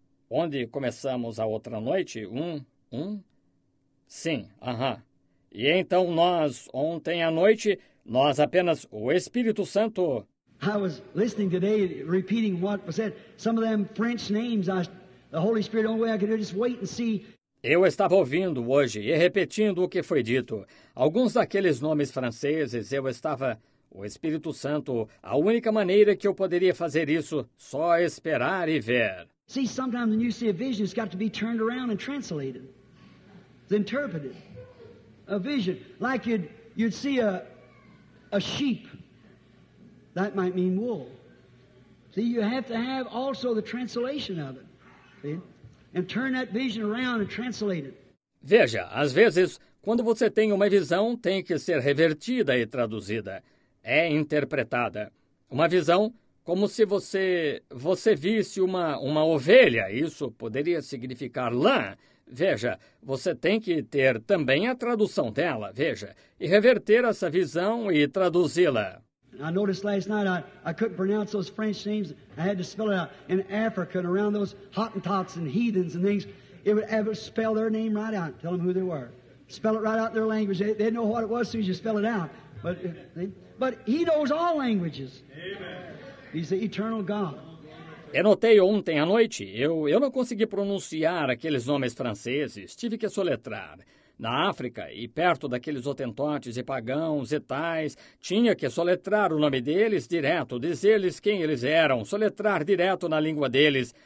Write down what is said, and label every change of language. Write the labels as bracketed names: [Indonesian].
[Portuguese] Onde começamos a outra noite? Sim, aham. E então nós, ontem à noite, nós apenas o Espírito Santo. [English] I was listening today, repeating what was said. Some of them French names, the Holy Spirit, the only way I could just wait and see. [Portuguese] Eu estava ouvindo hoje e repetindo o que foi dito. Alguns daqueles nomes franceses, eu estava... O Espírito Santo, a única maneira que eu poderia fazer isso, só esperar e ver. [English] See, sometimes when you see a vision, it's got to be turned around and translated. It's interpreted. A vision. Like you'd see a sheep. That might mean wool. See, you have to have also the translation of it. See? And turn that vision around and translate it. [Portuguese] Veja, às vezes, quando você tem uma visão, tem que ser revertida e traduzida. É interpretada. Uma visão... Como se você visse uma ovelha, isso poderia significar lã. Veja, você tem que ter também a tradução dela, veja, e reverter essa visão e traduzi-la. [English] I noticed last night I couldn't pronounce those French names. I had to spell it out in Africa and around those Hottentots and heathens and things. It would ever spell their name right out, tell them who they were. Spell it right out in their language. They'd know what it was as soon as you spell it out. But he knows all languages. Amen. He's the eternal God. [Portuguese] Eu notei ontem à noite, eu não consegui pronunciar aqueles nomes franceses, tive que soletrar. Na África, e perto daqueles hotentotes e pagãos e tais, tinha que soletrar o nome deles direto, dizer-lhes quem eles eram, soletrar direto na língua deles.